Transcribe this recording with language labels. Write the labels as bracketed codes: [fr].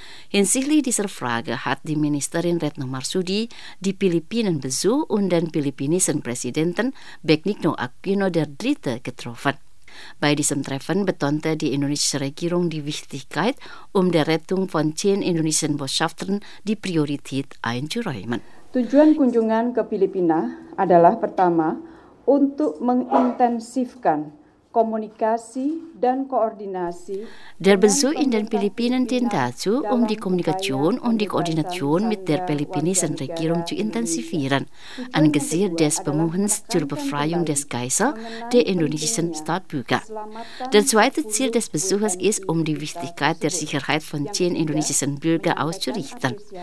[de] Hinsichtlich dieser Frage hat die Ministerin Retno Marsudi die Philippinen besucht und den philippinischen Präsidenten Benigno Aquino III. Getroffen. Bei diesem Treffen betonte die indonesische Regierung die Wichtigkeit, um der Rettung von 10 indonesischen Botschaftern die Priorität einzuräumen. [id] Tujuan kunjungan ke Filipina adalah pertama untuk mengintensifkan komunikasi dan koordinasi. [de] Der Besuch in den Philippinen dient dazu, um die Kommunikation und die Koordination mit der philippinischen Regierung zu intensivieren, angesichts des Bemühens zur Befreiung des Geisel der indonesischen Staatsbürger. Der zweite Ziel des Besuches ist, um die Wichtigkeit der Sicherheit von 10 indonesischen Bürgern auszurichten.